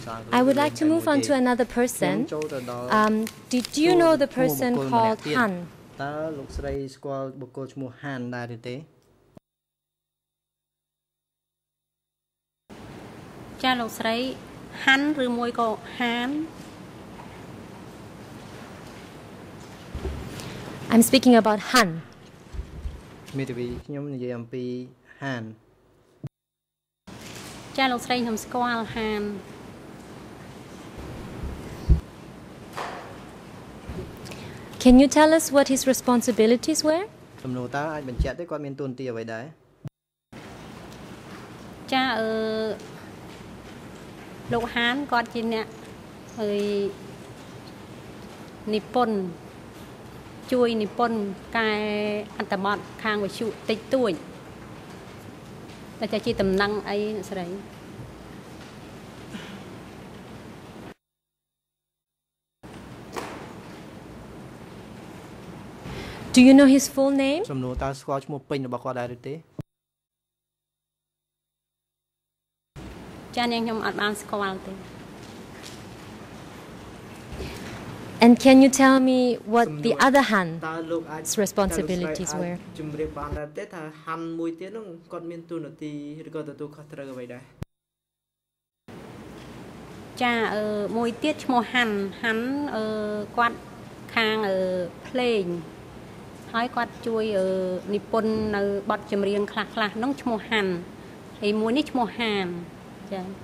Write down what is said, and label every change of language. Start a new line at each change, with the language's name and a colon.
English: I would like to move on to another person. Did you know the person called Han?
Khmer: តើលោកស្រីស្គាល់បុគ្គលឈ្មោះហានដែរឬទេ ចាលោកស្រីហានឬមួយក៏ហាន
English: I'm speaking about Han
Khmer: មេតាវីខ្ញុំនិយាយអំពីហាន ចាលោកស្រីខ្ញុំស្គាល់ហាន
English: Can you tell us what his responsibilities were?
Khmer: សំណួរតើអាចបញ្ជាក់ទេគាត់មានតួនាទីអ្វីដែរ? ចាលោកហានគាត់ជាអ្នកហើយនិពន្ធជួយនិពន្ធកែអត្តបទខាងវិជ្ជាតិចតួចតើចាជាតំណែងអីស្រី?
English: Do you know his full name?
Khmer: សំណួរតើស្គាល់ឈ្មោះពេញរបស់គាត់ដែរឬទេ? ចានាងខ្ញុំអត់បានស្គាល់ទេ
English: And can you tell me what the other Han's responsibilities were?
Khmer: ជម្រាបបានដែរទេថា Han មួយទៀតនោះគាត់មានតួនាទីឬក៏ទទួលខុសត្រូវអ្វីដែរ? ចាមួយទៀតឈ្មោះ Han គាត់ខាងភ្លេងហើយគាត់ជួយនិពន្ធនៅបទចម្រៀងខ្លះខ្លះនោះឈ្មោះហាន់ហើយមួយនេះឈ្មោះហានចា